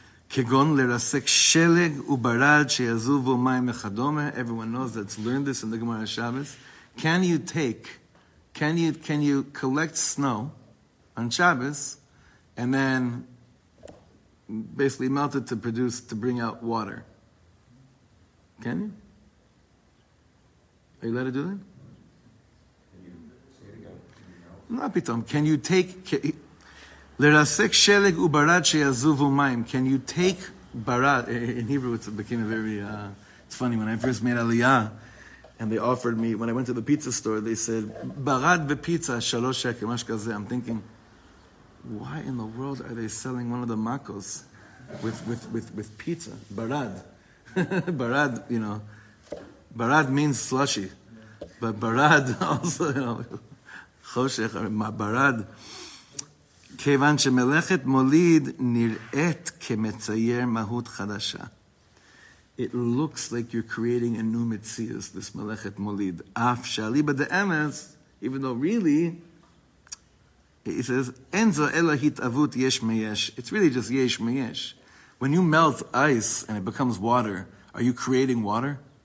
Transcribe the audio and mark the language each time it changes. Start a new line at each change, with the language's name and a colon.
Hebrew: כגון לרסק שלג וברד שיזובו מים וכדומה.
English: Everyone knows that's learned this in the Gemara Shabbos. Can you collect snow on Shabbos and then basically melt it to bring out water? Can you? Are you allowed to do that? Can you say it again? No, pitom. Can you take...
Hebrew: לרסק שלג וברד שיזובו מים.
English: Can you take barad? In Hebrew, it became a very... it's funny, when I first made Aliyah, and they offered me, when I went to the pizza store, they said, barad
Hebrew: ופיצה, שלוש שקל, מה שכזה.
English: I'm thinking, why in the world are they selling one of the makos with pizza? Barad. Barad, you know. Barad means slushy. But barad also, you know. חושך, barad.
Hebrew: כיוון שמלאכת מוליד נראית כמצייר מהות חדשה.
English: It looks like you're creating a new metzius, this מלאכת מוליד.
Hebrew: אף שאליבא דאמס,
English: even though really, he says,
Hebrew: אין זו אלא התאבות יש מיש.
English: It's really just יש מיש. When you melt ice and it becomes water, are you creating water?